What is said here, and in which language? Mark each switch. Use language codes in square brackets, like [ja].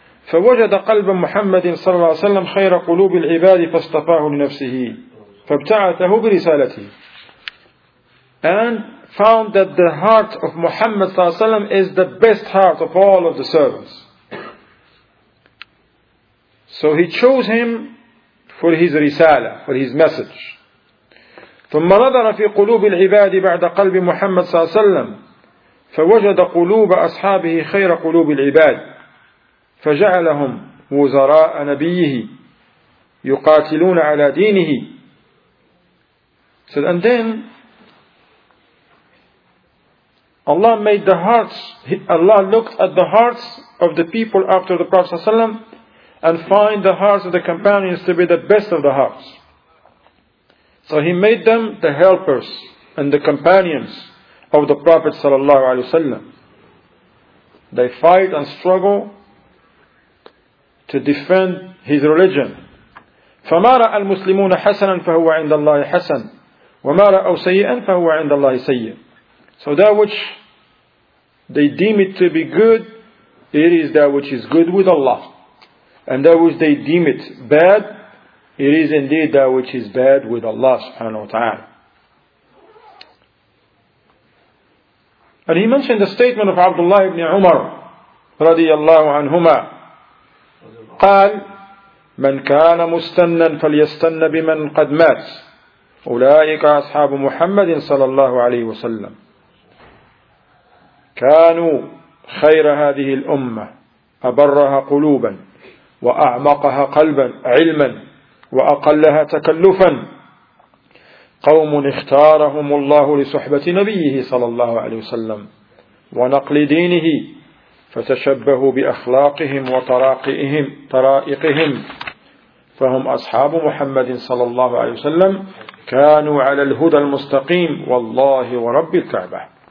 [ar] فَوَجَدَ قَلْبَ مُحَمَّدٍ صَلَّى اللَّهُ عَلَيْهِ وَسَلَّمَ خَيْرَ قُلُوبِ الْعِبَادِ فَاسْتَفَاهُ لِنَفْسِهِ فَابْتَعَثَهُ بِرِسَالَتِهِ. [en] And found that the heart of Muhammad [ar] صلى الله عليه وسلم [en] is the best heart of all of the servants. So he chose him for his risala, for his message. [ar] ثُمَّ نَظَرَ فِي قُلُوبِ الْعِبَادِ بَعْدَ قَلْبِ مُحَمَّدٍ صَلَّى اللَّهُ عَلَيْهِ وَسَلَّمَ فوجد قلوب أصحابه خير قلوب العباد فجعلهم وزراء نبيه يُقَاتِلُونَ عَلَى دِينِهِ. [en] Said, and then Allah made the hearts, Allah looked at the hearts of the people after the Prophet ﷺ and find the hearts of the companions to be the best of the hearts. So He made them the helpers and the companions of the Prophet ﷺ. They fight and struggle to defend his religion. [ar] فَمَا رَأَى الْمُسْلِمُونَ حَسَنًا فَهُوَ عِنْدَ اللَّهِ حَسَنًا وَمَا رَأَوْ سَيِّئًا فَهُوَ عِنْدَ اللَّهِ سَيِّئًا. [en] So that which they deem it to be good, it is that which is good with Allah. And that which they deem it bad, it is indeed that which is bad with Allah subhanahu wa ta'ala. And he mentioned the statement of Abdullah ibn Umar radiallahu anhuma. [ar] قال من كان مستنا فليستن بمن قد مات أولئك أصحاب محمد صلى الله عليه وسلم كانوا خير هذه الأمة أبرها قلوبا وأعمقها قلبا علما وأقلها تكلفا قوم اختارهم الله لصحبة نبيه صلى الله عليه وسلم ونقل دينه فتشبهوا بأخلاقهم وطرائقهم فهم أصحاب محمد صلى الله عليه وسلم كانوا على الهدى المستقيم والله ورب الكعبة.